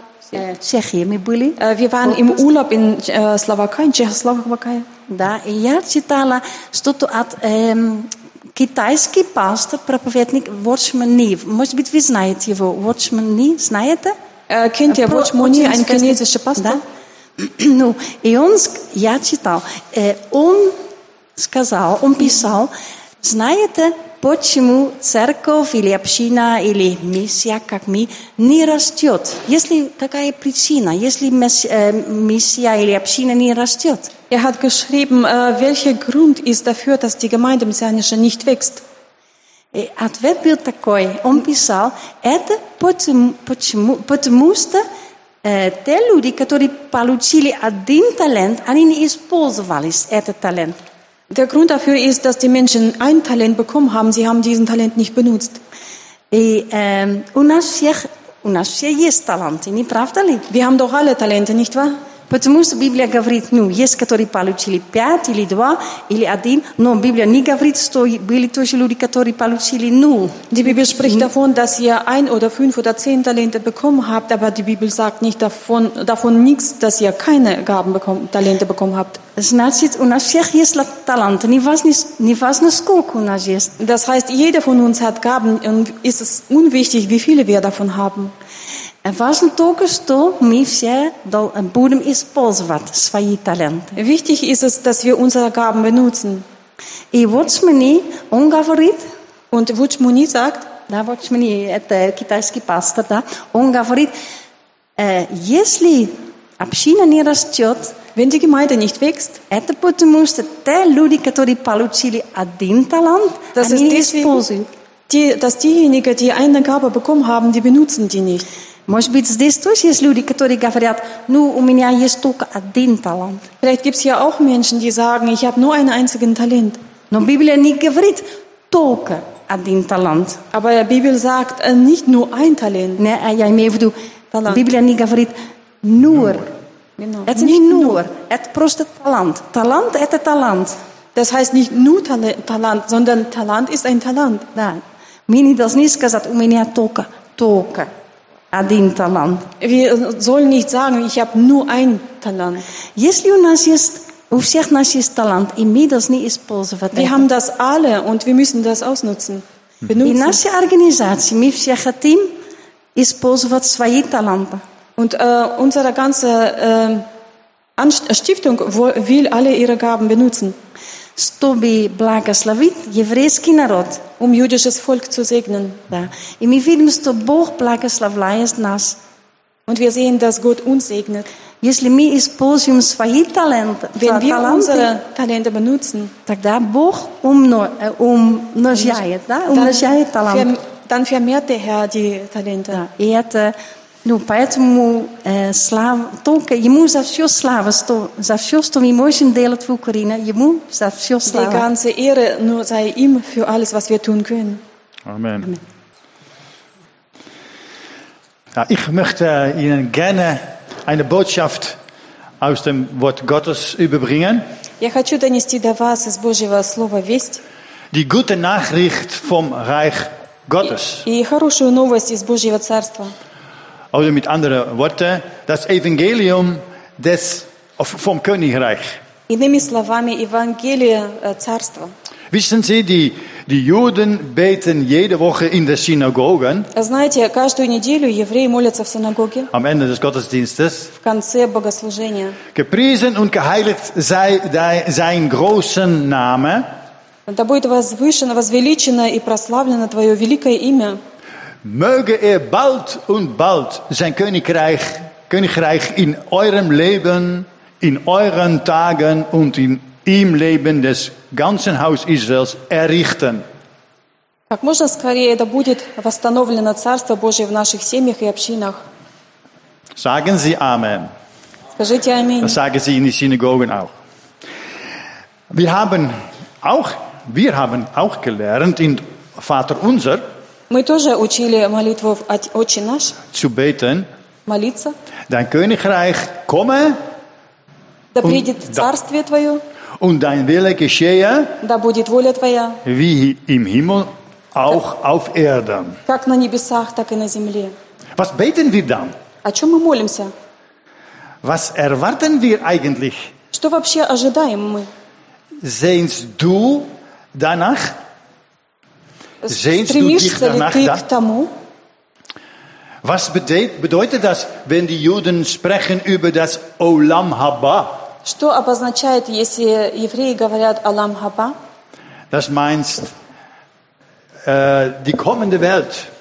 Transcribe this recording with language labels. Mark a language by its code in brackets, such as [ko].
[de] Wir waren im Urlaub in Slowakei, in Tschechoslowakei. [ru] Да, и я читала что-то от китайский пастор, проповедник Watchman Nee. Может быть, вы знаете его? Watchman Nee, знаете? [de] Kennt ihr Watchman Nee, ein [ru] китайский пастор? Да. Ну, и он, я читал, он сказал, он писал, знаете, почему церковь или община или миссия, как мы, не растет? Если какая причина, если миссия или община не растет? [de] Er hat geschrieben, welcher Grund ist dafür, dass die Gemeinde Messianische nicht wächst? [ru] Ответ был такой, он писал, это потому что те люди, которые получили один талант, они не использовали этот талант. [de] Der Grund dafür ist, dass die Menschen ein Talent bekommen haben, sie haben diesen Talent nicht benutzt. [ru] У нас все есть таланты, не правда ли? [de] Wir haben doch alle Talente, nicht wahr? [ru] Потому что Библия говорит, ну, есть, которые получили пять или два, или один, но Библия не говорит, что были тоже люди, которые получили ноль. [de] Die Bibel spricht davon, dass ihr ein oder fünf oder zehn Talente bekommen habt, aber die Bibel sagt nicht davon nichts, dass ihr keine Gaben bekommen, Talente bekommen habt. [ru] Значит, у нас всех есть таланты, не важно, сколько у нас есть. [de] Das heißt, jeder von uns hat Gaben, und ist es unwichtig, wie viele wir davon haben. [ru] Важно только, что мы все будем использовать свои таленты. [de] Wichtig ist es, dass wir unsere Gaben benutzen. [ru] И Watchmani, он говорит, [de] und Watchmani sagt, [ru] да, Watchmani, это китайский пастор, да, он говорит, если община не растет, [de] wenn die Gemeinde nicht wächst, [ru] это потому, что те люди, которые получили один талант, они не используют. [de] Dass diejenigen, die eine Gabe bekommen haben, die benutzen die nicht. [ru] Может быть, здесь тоже есть люди, которые говорят, ну, у меня есть только один талант. [de] Vielleicht gibt's hier auch Menschen, die sagen, ich habe nur einen einzigen Talent. [ru] Но Библия не говорит только один талант. [de] Aber die Bibel sagt nicht nur ein Talent. [ru] Не, я имею в виду, Библия не говорит [de] nur. [ru] Это не [de] nur, [ru] это просто талант. Талант – это талант. [de] Das heißt nicht nur Talent, sondern Talent ist ein Talent. Nein, [ru] мне [de] das nicht gesagt, [ru] у меня только. Один талант. [de] Wir sollen nicht sagen, ich habe nur ein Talent. [ru] Если у нас есть, у всех нас есть талант, и мы должны не использовать. [de] Wir haben das alle und wir müssen das ausnutzen. [ru] И наша организация, мы все хотим использовать свои таланты. [de] Und unsere ganze Stiftung will alle ihre Gaben benutzen. [ru] Чтобы благословить еврейский народ. [de] Jüdisches Volk zu segnen. [ru] Да. И мы видим, что Бог благословляет нас. [de] Und wir sehen, dass Gott uns segnet. [ru] Если мы используем свои таланты, [de] wenn wir unsere Talente benutzen, [ru] тогда Бог умножает, да? Умножает таланты. [de] Dann vermehrt der Herr die Talente. [ru] Да. И это, ну, поэтому только ему за все слава, за все, что мы можем делать в Украине, ему за все слава. [de] Die ganze Ehre nur sei ihm für alles, was wir tun können. Amen. Amen. Ja, ich möchte Ihnen gerne eine Botschaft aus dem Wort Gottes überbringen. [ru] Я хочу донести до вас из Божьего слова весть. [de] Die gute Nachricht vom Reich Gottes. [ru] И хорошую новость из Божьего Царства. [de] Oder mit anderen Worten, das Evangelium des vom Königreich. [ru] Иными словами, Евангелие царства. [de] Wissen Sie, die Juden beten jede Woche in den Synagogen. [ru] Знаете, каждую неделю евреи молятся в синагоге. [de] Am Ende des Gottesdienstes. [ru] В конце богослужения. [de] Gepriesen und geheiligt sei sein großen Name. [ru] Da будет возвышено, возвеличено и прославлено твое великое имя. [de] Möge er bald und bald sein Königreich, Königreich in eurem Leben, in euren Tagen und in im Leben des ganzen Haus Israels errichten. [ru] Как можно скорее да будет восстановлено Царство Божие в наших семьях и общинах. [de] Sagen Sie Amen. [ru] Скажите Аминь. [de] Das sagen Sie in den Synagogen auch. Wir haben auch gelernt in Vater Unser. [ru] Мы тоже учили молитву Отче наш. [de] Zu beten. [ru] Молиться. [de] Dein Königreich komme. [ru] Да придет Царствие Твое. [de] Und dein Wille geschehe. [ru] Да будет воля Твоя. [de] Wie im Himmel, auch auf Erden. [ru] Как на небесах, так и на земле. [de] Was beten wir dann? [ru] О чем мы молимся? [de] Was erwarten wir eigentlich? [ru] Что вообще ожидаем мы? [de] Sehnst du danach? [ru] Стремишься ли ты к тому? [de] Was bedeutet das, wenn die Juden sprechen über das Olam Haba? [ru] Что обозначает, если евреи говорят Олам Хаба? [de] Das meinst, die kommende Welt.